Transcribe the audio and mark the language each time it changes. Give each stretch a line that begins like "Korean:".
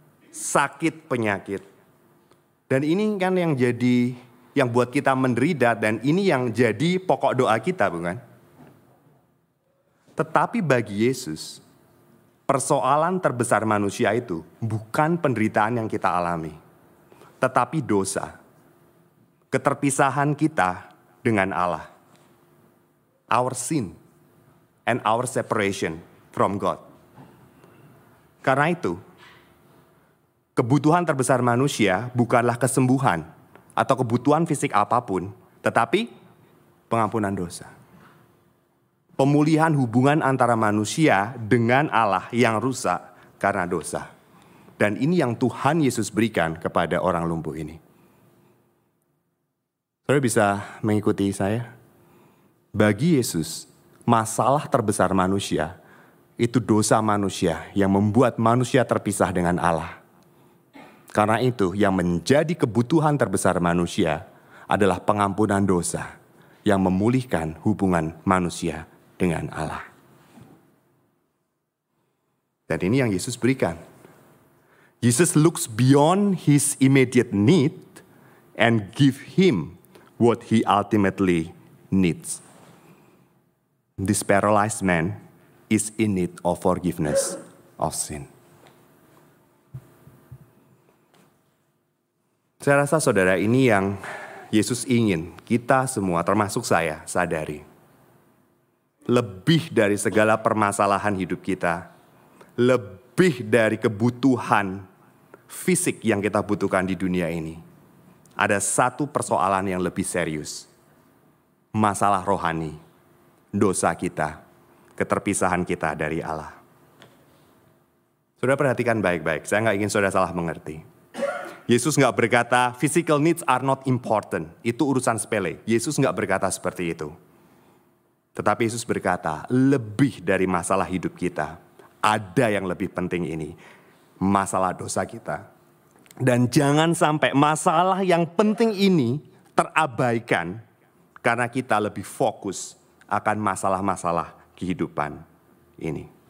Indonesian: Sakit penyakit. Dan ini kan yang jadi, yang buat kita menderita dan ini yang jadi pokok doa kita, bukan? Tetapi bagi Yesus, persoalan terbesar manusia itu bukan penderitaan yang kita alami. Tetapi dosa. Keterpisahan kita dengan Allah.
English: Our sin and our separation from God.
Indonesian: Karena itu, kebutuhan terbesar manusia bukanlah kesembuhan atau kebutuhan fisik apapun, tetapi pengampunan dosa. Pemulihan hubungan antara manusia dengan Allah yang rusak karena dosa. Dan ini yang Tuhan Yesus berikan kepada orang lumpuh ini. Saudara bisa mengikuti saya? Bagi Yesus, masalah terbesar manusia itu dosa manusia yang membuat manusia terpisah dengan Allah. Karena itu, yang menjadi kebutuhan terbesar manusia adalah pengampunan dosa yang memulihkan hubungan manusia dengan Allah. Dan ini yang Yesus berikan.
English: Jesus looks beyond his immediate need and give him what he ultimately needs. This paralyzed man is in need of forgiveness of sin.
Indonesian: Saya rasa saudara, ini yang Yesus ingin kita semua, termasuk saya, sadari. Lebih dari segala permasalahan hidup kita, lebih dari kebutuhan fisik yang kita butuhkan di dunia ini, ada satu persoalan yang lebih serius. Masalah rohani, dosa kita, keterpisahan kita dari Allah. Saudara perhatikan baik-baik, saya gak ingin saudara salah mengerti. Yesus gak berkata,
English: physical needs are not important.
Indonesian: Itu urusan sepele. Yesus gak berkata seperti itu. Tetapi Yesus berkata, lebih dari masalah hidup kita, ada yang lebih penting ini. Masalah dosa kita. Dan jangan sampai masalah yang penting ini terabaikan karena kita lebih fokus akan masalah-masalah kehidupan ini.